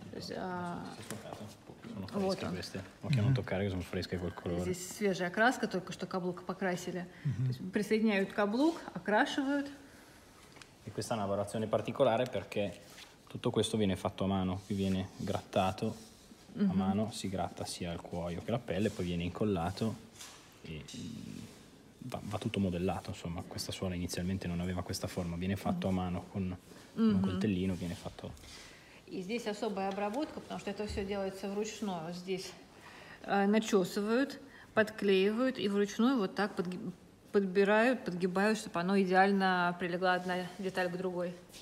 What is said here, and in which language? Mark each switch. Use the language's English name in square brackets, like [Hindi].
[Russian] Здесь свежая краска, только что каблук покрасили. Mm-hmm. Присоединяют каблук, окрашивают. [Italian] И questa è una lavorazione particolare perché tutto questo viene fatto a mano, qui viene grattato a mano, si gratta sia il cuoio che la pelle, poi viene incollato e va tutto modellato, insomma, questa suola inizialmente non aveva questa forma, viene fatto a mano con un coltellino, viene fatto. [Russian] И здесь особая обработка, потому что это все делается вручную. Здесь начесывают, подклеивают и вручную вот так подбирают, подгибают, чтобы оно идеально прилегла одна деталь к другой.